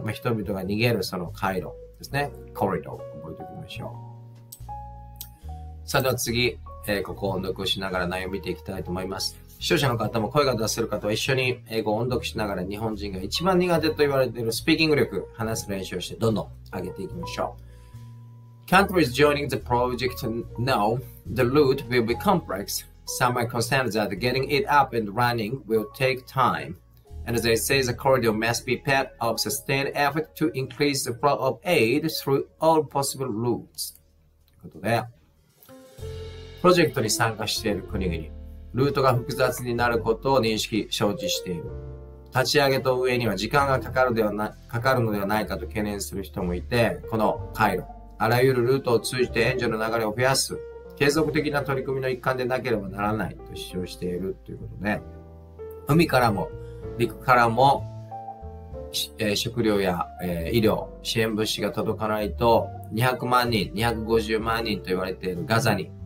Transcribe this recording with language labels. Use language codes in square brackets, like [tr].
[ja] まあ、人々が逃げるその回路ですね。コリドー、覚えておきましょう。さあ、では次。ここを音読しながら内容を見ていきたいと思います。視聴者の方も声が出せる方は一緒に英語を音読しながら、日本人が一番苦手と言われているスピーキング力、話す練習をしてどんどん上げていきましょう。 [en] Countries joining the project know the route will be complex. Some are concerned that getting it up and running will take time. And they say the corridor must be part of sustained effort to increase the flow of aid through all possible routes. [ja] ということで、プロジェクトに参加している国々、ルートが複雑になることを認識、承知している。立ち上げと運営には時間がかかるのではないかと懸念する人もいて、この回路、あらゆるルートを通じて援助の流れを増やす、継続的な取り組みの一環でなければならないと主張しているということで、海からも陸からも、食料や、医療、支援物資が届かないと、200万人、250万人と言われているガザに、